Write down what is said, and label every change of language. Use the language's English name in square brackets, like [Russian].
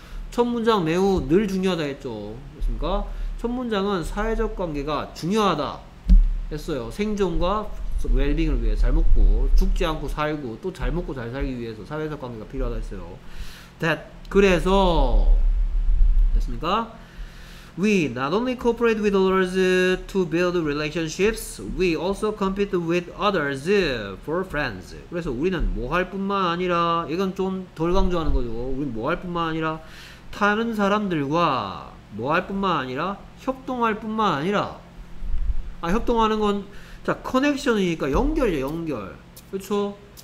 [Korean] 첫 문장 매우 늘 중요하다 했죠. 그렇습니까? 첫 문장은 사회적 관계가 중요하다 했어요. 생존과 웰빙을 위해 잘 먹고 죽지 않고 살고 또 잘 먹고 잘 살기 위해서 사회적 관계가 필요하다 했어요. That 그래서 됐습니까? [English] We not only cooperate with others to build relationships, we also compete with others for friends. [Korean] 그래서 우리는 뭐 할 뿐만 아니라 이건 좀 덜 강조하는 거죠. 우리는 뭐 할 뿐만 아니라 타는 사람들과 뭐 할 뿐만 아니라 협동할 뿐만 아니라 아 협동하는 건 자 커넥션이니까 연결이죠 연결 그쵸?